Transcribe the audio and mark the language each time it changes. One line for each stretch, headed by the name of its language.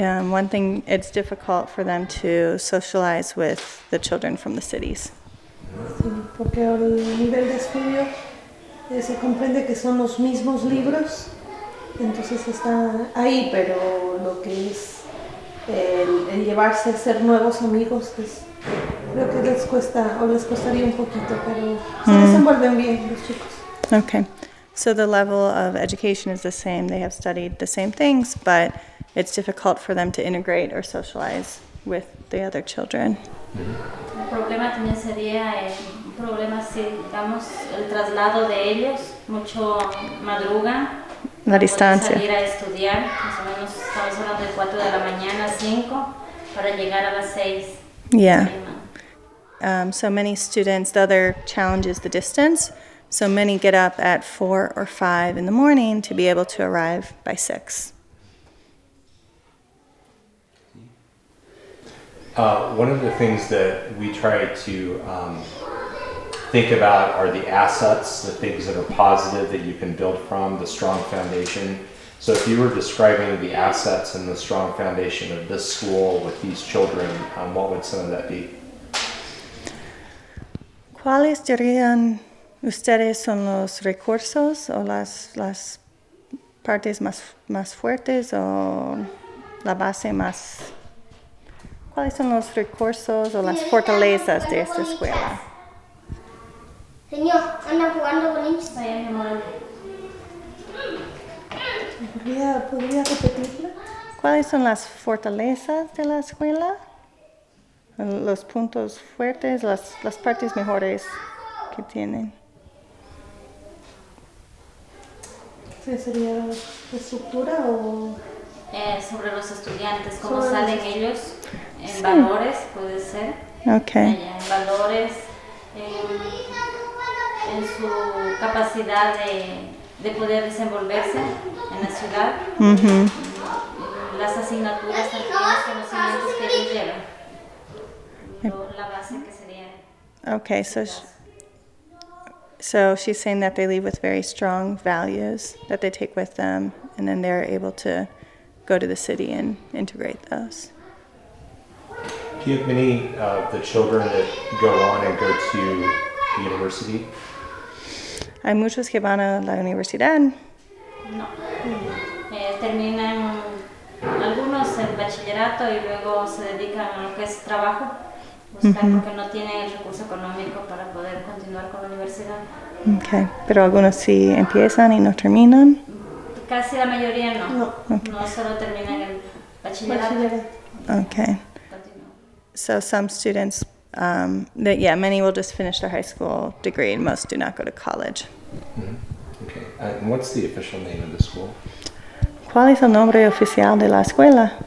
English: One thing, it's difficult for them to socialize with the children from the cities.
Spanish: Sí, porque el nivel de estudio se comprende que son los mismos libros, entonces está ahí, pero lo que es el llevarse a ser nuevos amigos, pues, creo que les cuesta, o les costaría un poquito, pero se desenvuelven bien los chicos.
English: Okay, so the level of education is the same, they have studied the same things, but it's difficult for them to integrate or socialize with the other children. Mm-hmm.
Spanish: El problema también sería un problema si digamos el traslado de ellos mucho madruga. La distancia. Salir a estudiar, más o menos estamos hablando de 4 de la mañana, 5, para llegar a las 6.
English: Yeah. So many students, the other challenge is the distance. So many get up at 4 or 5 in the morning to be able to arrive by 6. One of the things that we try to think about are the assets, the things that are positive that you can build from, the strong foundation. So if you were describing the assets and the strong foundation of this school with these children, what would some of that be?
Spanish: ¿Cuáles dirían ustedes son los recursos o las partes más fuertes o la base más... ¿Cuáles son los recursos o las fortalezas de esta escuela? Señor, anda jugando con ellos. Vaya, mi amor. ¿Podría repetirlo? ¿Cuáles son las fortalezas de la escuela? Los puntos fuertes, las partes mejores que tienen. ¿Sería la estructura o...? Sobre los estudiantes, ¿cómo sobre salen ellos? En sí. Valores, puede ser.
English: Okay.
Spanish: En valores, en su capacidad de poder desenvolverse en la ciudad. Mm-hmm. Las asignaturas también, los conocimientos que ellos llevan. La base que sería.
English: Okay, so she's saying that they leave with very strong values that they take with them, and then they're able to go to the city and integrate those. Do you have many of the children that go on and go to university?
Spanish: Hay muchos que van a la universidad. No. Terminan algunos el bachillerato y luego se dedican a lo que es trabajo. Buscan porque no tienen el recurso económico para poder continuar con la universidad. Okay. Pero algunos sí empiezan y no terminan. Casi la mayoría no. No. No solo terminan el bachillerato.
English: Okay. So some students, many will just finish their high school degree and most do not go to college. Mm-hmm. Okay. And what's the official name of the school?
Spanish: ¿Cuál es el nombre oficial de la escuela?